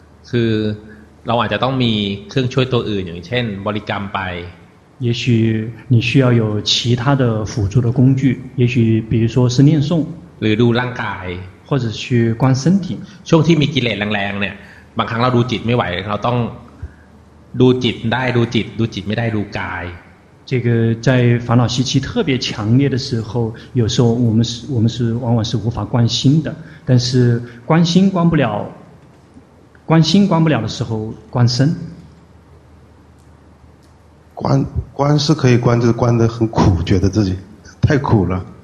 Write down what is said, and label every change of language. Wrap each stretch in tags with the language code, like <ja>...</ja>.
<th>คือเราอาจจะต้องมีเครื่องช่วยตัวอื่นอย่างเช่นบริกรรมไป</th> <zh>也许你需要有其他的辅助的工具也许比如说是念诵</zh> <th>หรือดูร่างกาย</th> <zh>或者去观身体</zh> <th>ช่วงที่มีกิเลสแรงๆเนี่ยบางครั้งเราดูจิตไม่ไหวเราต้องดูจิตได้ดูจิตไม่ได้ดูกาย</th> <zh>这个在烦恼习气特别强烈的时候，有时候我们是往往是无法观心的。但是观心观不了，观心观不了的时候，观身。观是可以观，就是观得很苦，觉得自己太苦了。</zh>